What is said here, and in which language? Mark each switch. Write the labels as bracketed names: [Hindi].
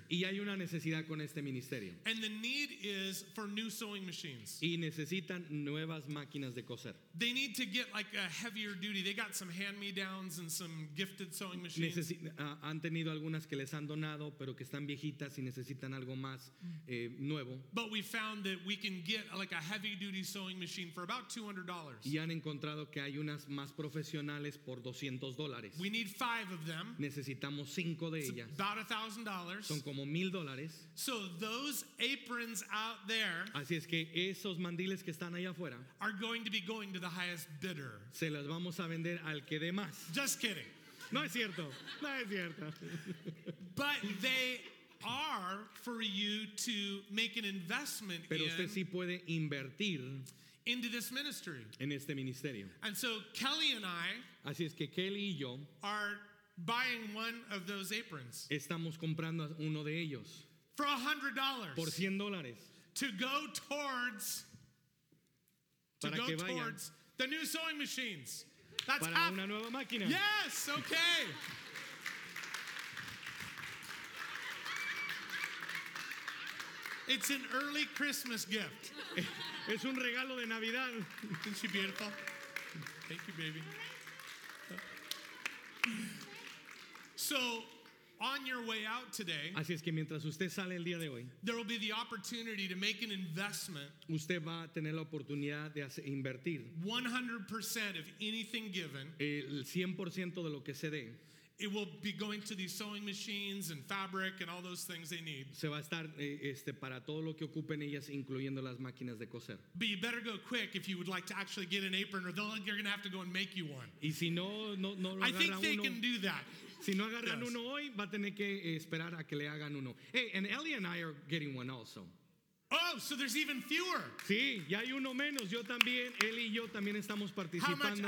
[Spanish] Y hay una necesidad con este ministerio. [English] And the need is for new sewing machines. [Spanish] Y necesitan nuevas máquinas de coser. [English] They need to get like a heavier duty. They got some hand-me-downs and some gifted sewing machines. [Spanish] Han tenido algunas que les han donado, pero que están viejitas y necesitan algo más nuevo. [English] But we found that we can get like a heavy-duty sewing machine for about $200. [Spanish] Y han encontrado que hay unas más profesionales por $200. [English] We need 5 of them. [Spanish] Necesitamos 5. De ellas. [English] It's about $1,000. [Spanish] Son como $1,000. [English] So those aprons out there, [Spanish] así es que esos mandiles que están allá afuera, [English] are going to be going to the highest bidder. [Spanish] Se las vamos a vender al que dé más. [English] Just kidding. [Spanish] No es cierto. No es cierto. [English] But they are for you to make an investment. [Spanish] Pero usted [English] in [Spanish] sí puede invertir [English] into this ministry. [Spanish] En este ministerio. [English] And so Kelly and I, [Spanish] así es que Kelly y yo, [English] are buying one of those aprons. [Spanish] Estamos comprando uno de ellos. [English] For $100. [Spanish] Por $100. [English] To go towards. [Spanish] Para [English] to go [Spanish] que [English] towards [Spanish] vayan. [English] The new sewing machines. That's [Spanish] para [English] half. [Spanish] Una nueva máquina. [English] Yes, okay. It's an early Christmas gift. [Spanish] Es un regalo de Navidad. [English] Isn't she beautiful? Thank you, baby. So on your way out today, [Spanish] así es que mientras usted sale el día de hoy, [English] there will be the opportunity to make an investment. [Spanish] Usted va a tener la oportunidad de invertir [English] 100% of anything given. [Spanish] El 100% de lo que se dé. [English] It will be going to these sewing machines and fabric and all those things they need. [Spanish] Se va a estar para todo lo que ocupen ellas, incluyendo las máquinas de coser. [English] But you better go quick if you would like to actually get an apron, or you're going to have to go and make you one. [Spanish] Y si no [English] I think they [Spanish] uno, [English] can do that. [Spanish] Si no agarran yes. uno hoy, va a tener que esperar a que le hagan uno. [English] Hey, and Ellie and I are getting one also. Oh, so there's even fewer. [Spanish] Sí, ya hay uno menos. Yo también, Ellie y yo también estamos participando.